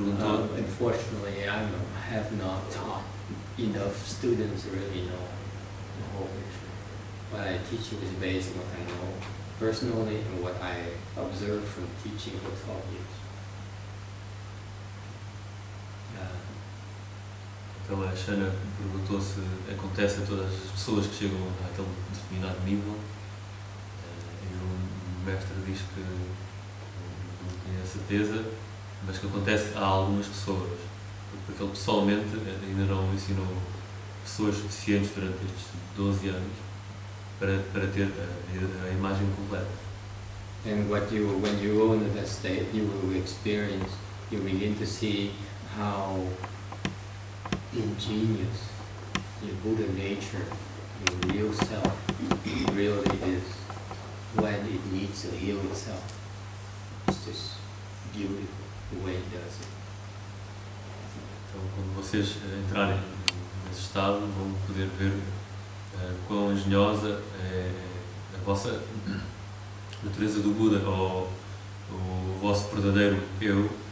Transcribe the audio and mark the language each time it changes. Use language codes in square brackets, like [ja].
[en] Unfortunately, I have not taught enough students to really know the whole picture. What I teach you is based on what I know personally and what I observe from teaching for 12 years. [pt] Então a Shana perguntou se acontece a todas as pessoas que chegam àquele determinado nível. E o mestre diz que não tem a certeza, mas que acontece a algumas pessoas. Porque ele pessoalmente ainda não ensinou pessoas suficientes durante estes 12 anos para ter a imagem completa. E quando você entra nesse estado, você vai experimentar, você vai começar a ver [en] how ingenious your Buddha nature, your real self, really is when it needs to heal itself. It's just beautiful the way it does it. [pt] Então, quando vocês entrarem nesse estado, vão poder ver quão engenhosa é a vossa natureza do Buda, ou o vosso verdadeiro eu.